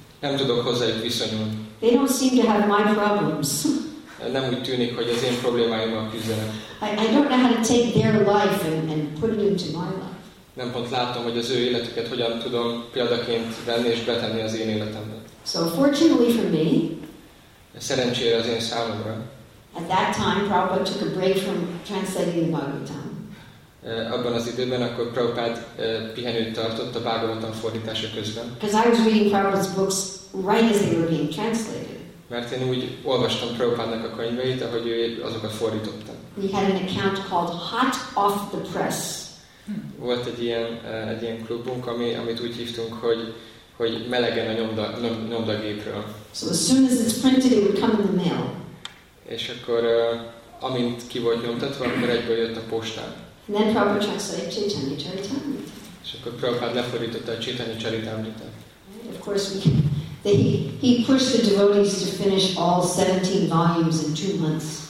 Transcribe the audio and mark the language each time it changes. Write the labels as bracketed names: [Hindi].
[Hungarian] Nem tudok hozzájuk viszonyulni. [English] They don't seem to have my problems. [Hungarian] Nem úgy tűnik, hogy az én problémáimmal küzdenek. [English] I don't know how to take their life and put it into my life. [Hungarian] Nem pont látom, hogy az ő életüket hogyan tudom példaként venni és betenni az én életembe. [English] So fortunately for me, [Hungarian] szerencsére az én számomra, [English] at that time Prabhupada took a break from translating the Bhagavatam. [Hungarian] Abban az időben akkor Prabhupád pihenőt tartott a Bhagavatam fordítása közben. [English] Because I was reading Prabhupada's books right as they were being translated. [Hungarian] Mert én úgy olvastam Prabhupádnak a könyveit, ahogy ő azokat fordította. [English] We had an account called Hot Off the Press. [Hungarian] Volt egy ilyen klubunk, amit úgy hívtunk, hogy melegen a nyomdagépről. [English] So as soon as it's printed, it would come in the mail. [Hungarian] És akkor amint ki volt nyomtatva, akkor egyből jött a postán. [English] And then Prabhupada translated Chaitanya Charitamrita. [Hungarian] És akkor Prabhupád lefordította a Chaitanya Charitamrita. [English] Of course he pushed the devotees to finish all 17 volumes in 2 months.